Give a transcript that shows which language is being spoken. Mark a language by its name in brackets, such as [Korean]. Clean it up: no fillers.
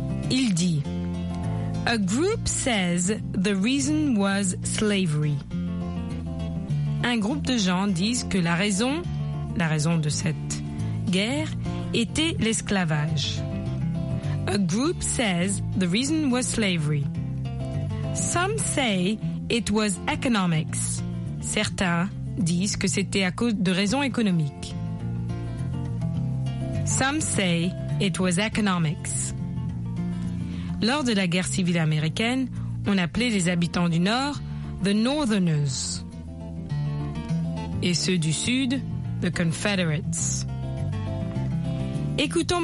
[French] Il dit, [English] a group says the reason was slavery. [French] Un groupe de gens disent que la raison de cette guerre était l'esclavage. [English] A group says the reason was slavery. Some say it was economics. [French] Certains disent que c'était à cause de raisons économiques. [English] Some say it was economics. [French] Lors de la guerre civile américaine, on appelait les habitants du Nord the Northerners et ceux du Sud the Confederates. Écoutons maintenant.